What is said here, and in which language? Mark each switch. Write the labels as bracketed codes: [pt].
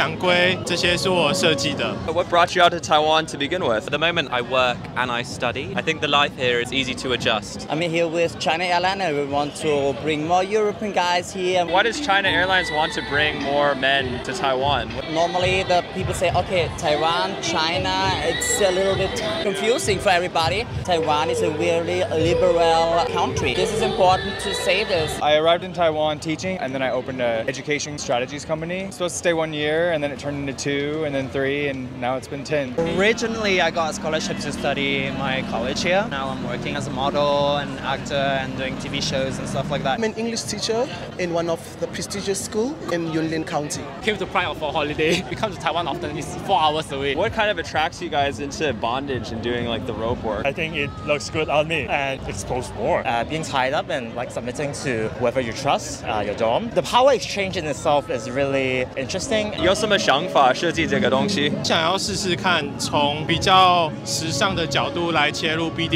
[zh] 我是倩倩，我是Zen，叫蒋龟，这些是我设计的。 [en] What brought you out to Taiwan to begin with? At the moment, I work and I study. I think the life here is easy to adjust. I'm here with China Airlines. We want to bring more European guys here. Why does China Airlines want to bring more men to Taiwan? Normally, the people say, okay, Taiwan, China, it's a little bit confusing for everybody. Taiwan is a really liberal country. This is important to say this. I arrived in Taiwan teaching, and then I opened an education strategies company. I was supposed to stay 1 year, and then it turned into 2, and then 3, and now it's been 10. Originally, I got a scholarship to study my college here. Now I'm working as a model and actor and doing TV shows and stuff like that. I'm an English teacher in one of the prestigious schools in Yunlin County. Came to Pride for a holiday. We come to Taiwan often. It's 4 hours away. What kind of attracts you guys into bondage and doing like the rope work? I think it looks good on me and expose more. Being tied up and like submitting to whoever you trust, your dorm. The power exchange in itself is really interesting. [zh] 有什么想法设计这个东西？想要试试看从比较时尚的角度来切入